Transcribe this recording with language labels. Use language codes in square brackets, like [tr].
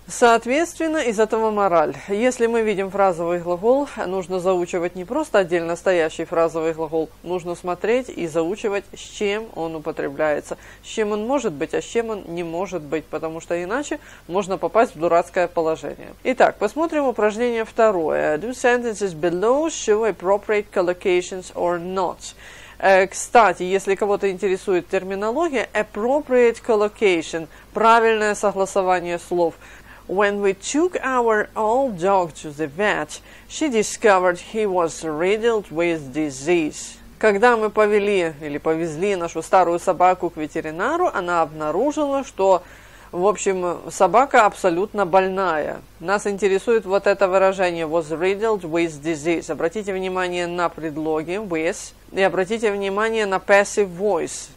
[ru] Соответственно, из этого мораль. Если мы видим фразовый глагол, нужно заучивать не просто отдельно стоящий фразовый глагол, нужно смотреть и заучивать, с чем он употребляется, с чем он может быть, а с чем он не может быть, потому что иначе можно попасть в дурацкое положение. Итак, посмотрим упражнение второе. [en] Do sentences below show appropriate collocations or not. [ru] Кстати, если кого-то интересует терминология, appropriate collocation, правильное согласование слов. [en] When we took our old dog to the vet, she discovered he was riddled with disease. [ru] Когда мы повели или повезли нашу старую собаку к ветеринару, она обнаружила, что, в общем, собака абсолютно больная. Нас интересует вот это выражение [en] was riddled with disease. [ru] Обратите внимание на предлоги with и обратите внимание на passive voice.